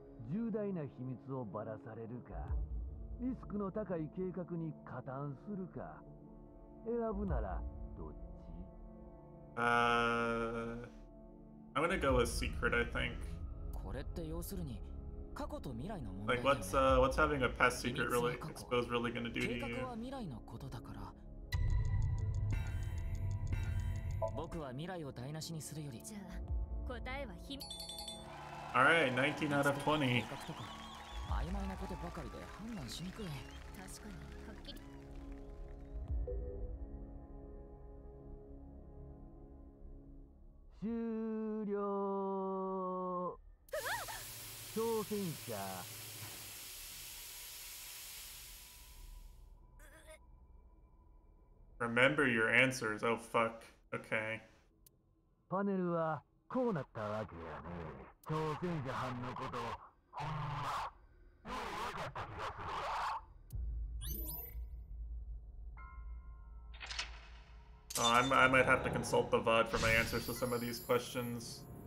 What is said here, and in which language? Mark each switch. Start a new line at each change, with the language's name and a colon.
Japanese: 重大な秘密をばらされるか、リスクの高い計画に加担するか、選ぶならどっち？
English: I'm gonna go with secret, I think.
Japanese: これって要するに過去と未来の問題だよね。
English: Like, what's having a past secret really expose really gonna do to you?
Japanese: 計画は未来のことだから。僕は未来を台無しにするより。じゃあ、答えは秘密。
English: Alright, 19 out of 20.
Japanese: 曖昧なことばかりで判断しにくい。確かに、はっきり。終了。挑戦者。
English: Remember your answers. Oh fuck. Okay.
Japanese: パネルはこうなったわけやね。挑戦者班のこと。ほんま。もう分かった気がするわ。
English: I might have to consult the VOD for my answers to some of these questions.